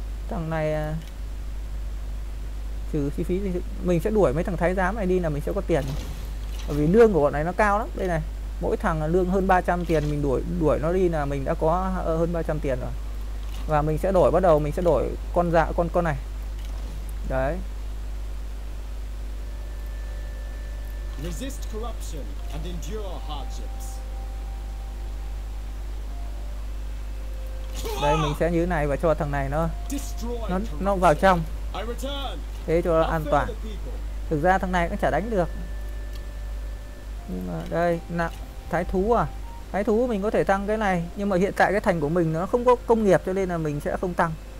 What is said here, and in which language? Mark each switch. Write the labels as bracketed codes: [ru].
[vi] Thằng này trừ chi phí thì mình sẽ đuổi mấy thằng thái giám này đi là mình sẽ có tiền. Bởi vì lương của bọn này nó cao lắm. Đây này, mỗi thằng là lương hơn 300 tiền, mình đuổi đuổi nó đi là mình đã có hơn 300 tiền rồi. Và mình sẽ đổi, bắt đầu mình sẽ đổi con dạ con này. Đấy. [en] Resist corruption and endure hardships. [vi] Đây mình sẽ như thế này và cho thằng này nó vào trong. Thế cho nó an toàn. Thực ra thằng này cũng chả đánh được. Nhưng mà đây, nặng thái thú à. Thái thú mình có thể tăng cái này, nhưng mà hiện tại cái thành của mình nó không có công nghiệp cho nên là mình sẽ không tăng.